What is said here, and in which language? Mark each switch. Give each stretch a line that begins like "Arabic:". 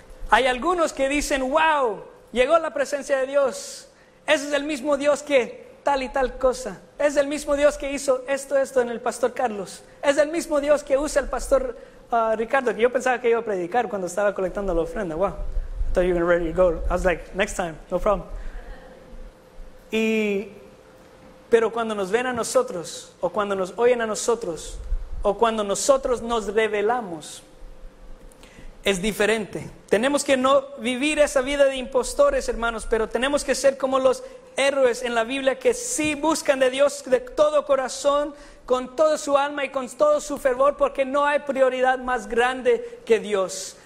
Spanish: Hay algunos que dicen, wow, llegó la presencia de Dios. Ese es el mismo Dios que tal y tal cosa. Es el mismo Dios que hizo esto, esto en el pastor Carlos. Es el mismo Dios que usa el pastor Ricardo, que yo pensaba que iba a predicar cuando estaba colectando la ofrenda.
English: Wow, I thought you were ready to go. I was like, next time, no problem.
Spanish: Pero cuando nos ven a nosotros, o cuando nos oyen a nosotros, o cuando nosotros nos revelamos, es diferente. Tenemos que no vivir esa vida de impostores, hermanos, pero tenemos que ser como los héroes en la Biblia que sí buscan de Dios de todo corazón, con toda su alma y con todo su fervor, porque no hay prioridad más grande que Dios.